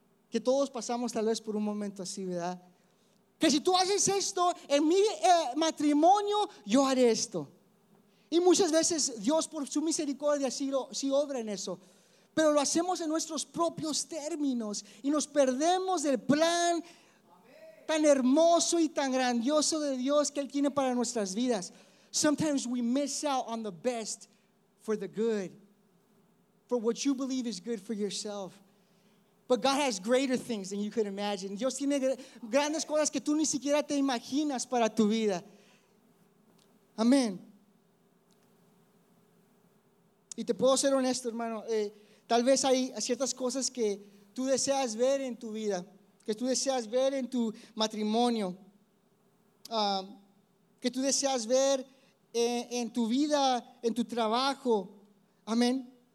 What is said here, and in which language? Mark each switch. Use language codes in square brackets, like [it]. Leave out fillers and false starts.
[es] Que todos pasamos tal vez por un momento así, ¿verdad? Que si tú haces esto en mi matrimonio, yo haré esto. Y muchas veces Dios, por su misericordia, sí obra en eso. Pero lo hacemos en nuestros propios términos y nos perdemos del plan tan hermoso y tan grandioso de Dios que Él tiene para nuestras vidas. [en] Sometimes we miss out on the best for the good, for what you believe is good for yourself. But God has greater things than you could imagine. [es] Dios tiene grandes cosas que tú ni siquiera te imaginas para tu vida. Amén. Y te puedo ser honesto, hermano, tal vez hay ciertas cosas que tú deseas ver en tu vida, que tú deseas ver en tu matrimonio, que tú deseas ver en tu vida, en tu trabajo, amén.